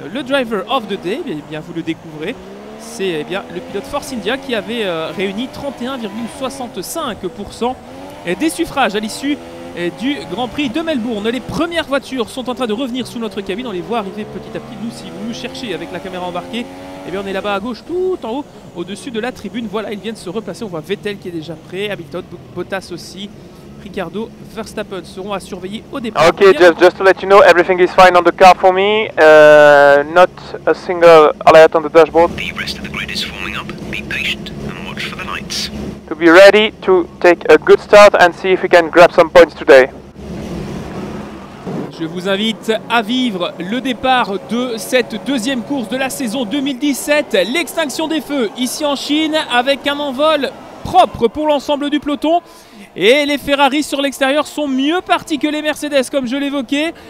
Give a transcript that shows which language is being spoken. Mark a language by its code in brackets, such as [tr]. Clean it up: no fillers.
[fr] Le driver of the day, eh bien, vous le découvrez, c'est eh bien, le pilote Force India qui avait réuni 31,65% des suffrages à l'issue du Grand Prix de Melbourne. Les premières voitures sont en train de revenir sous notre cabine. On les voit arriver petit à petit. Nous, si vous nous cherchez avec la caméra embarquée, eh bien, on est là-bas à gauche, tout en haut, au-dessus de la tribune. Voilà, ils viennent se replacer. On voit Vettel qui est déjà prêt, Hamilton, Bottas aussi, Ricardo, Verstappen seront à surveiller au départ. [en] Ok, just to let you know, everything is fine on the car for me. Not a single alert on the dashboard. The rest of the grid is forming up. Be patient and watch for the lights. To be ready to take a good start and see if we can grab some points today. [fr] Je vous invite à vivre le départ de cette deuxième course de la saison 2017. L'extinction des feux ici en Chine avec un envol propre pour l'ensemble du peloton. Et les Ferrari sur l'extérieur sont mieux partis que les Mercedes, comme je l'évoquais.